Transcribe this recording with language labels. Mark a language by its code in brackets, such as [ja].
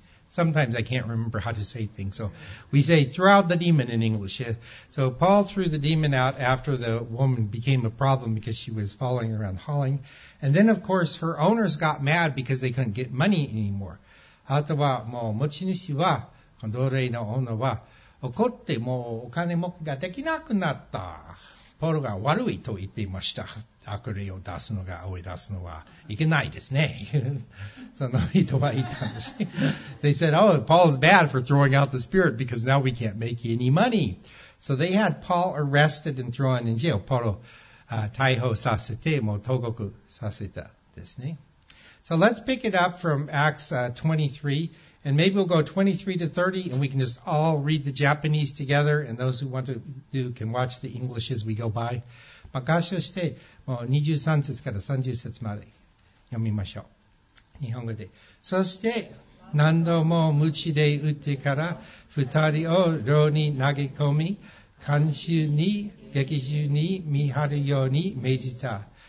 [en] Sometimes I can't remember how to say things. So we say, throw out the demon in English. Yeah. So Paul threw the demon out after the woman became a problem because she was following around hauling. And then, of course, her owners got mad because they couldn't get money anymore. [ja] あとはもう持ち主は、奴隷のオーナーは怒ってもうお金儲けができなくなった。ポールが悪いと言っていました。悪霊を出すのが、追い出すのはいけないですね。その人は言ったんです。 [en] They said, oh, Paul's bad for throwing out the spirit because now we can't make any money. So they had Paul arrested and thrown in jail. [ja] ポール、逮捕させて、もう投獄させたですね。 [en] So let's pick it up from Acts 23. And maybe we'll go 23 to 30, and we can just all read the Japanese together, and those who want to do can watch the English as we go by. [ja] 合唱して、もう23節から30節まで読みましょう。日本語で。そして、何度も鞭で打ってから、二人を牢に投げ込み、監修に、劇中に見張るように命じた。